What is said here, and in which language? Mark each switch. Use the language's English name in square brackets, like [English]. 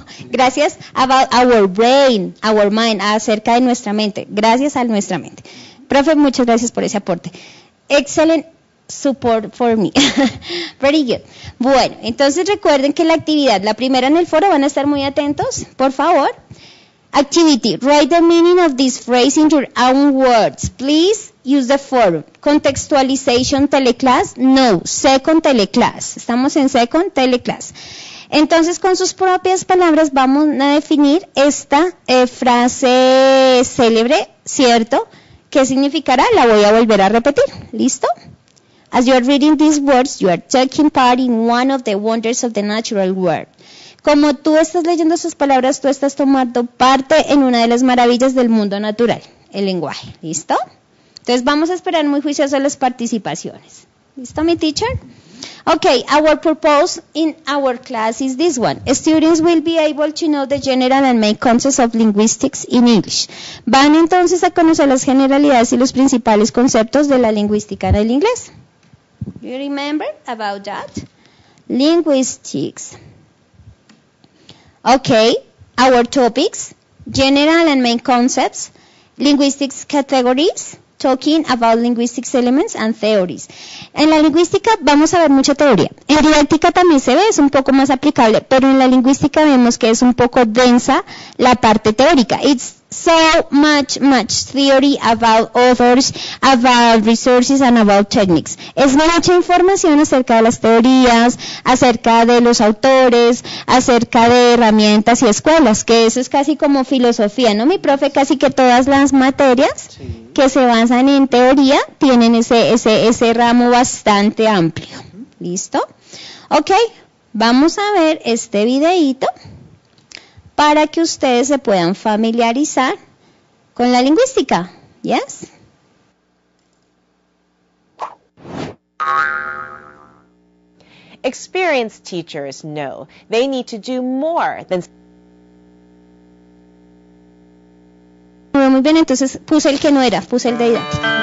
[Spanish] Gracias [English] about our brain, our mind, [Spanish] acerca de nuestra mente. Gracias a nuestra mente. Profe, muchas gracias por ese aporte. Excelente. [English] Support for me. Very good. [Spanish] Bueno, entonces recuerden que la actividad, la primera en el foro, van a estar muy atentos, por favor. [English] Activity, write the meaning of this phrase in your own words. Please use the forum. Contextualization teleclass, no, second teleclass. [Spanish] Estamos en [English] second teleclass. [Spanish] Entonces, con sus propias palabras, vamos a definir esta frase célebre, ¿cierto? ¿Qué significará? La voy a volver a repetir. ¿Listo? [English] As you are reading these words, you are taking part in one of the wonders of the natural world. [Spanish] Como tú estás leyendo esas palabras, tú estás tomando parte en una de las maravillas del mundo natural, el lenguaje. ¿Listo? Entonces vamos a esperar muy juiciosas las participaciones. ¿Listo, mi teacher? [English] Okay, our purpose in our class is this one. Students will be able to know the general and main concepts of linguistics in English. [Spanish] Van entonces a conocer las generalidades y los principales conceptos de la lingüística en el inglés. [English] You remember about that? Linguistics. Okay, our topics, general and main concepts, linguistics categories, talking about linguistics elements and theories. [Spanish] En la lingüística vamos a ver mucha teoría. En didáctica también se ve, es un poco más aplicable, pero en la lingüística vemos que es un poco densa la parte teórica. [English] It's so much, much theory about authors, about resources and about techniques. [Spanish] Es mucha información acerca de las teorías, acerca de los autores, acerca de herramientas y escuelas, que eso es casi como filosofía, ¿no? Mi profe, casi que todas las materias que se basan en teoría tienen ese ramo bastante amplio. ¿Listo? Ok, vamos a ver este videíto para que ustedes se puedan familiarizar con la lingüística. [English] ¿Yes? Experienced teachers know they need to do more than... [Spanish] Muy bien, entonces puse el que no era, puse el de didáctica.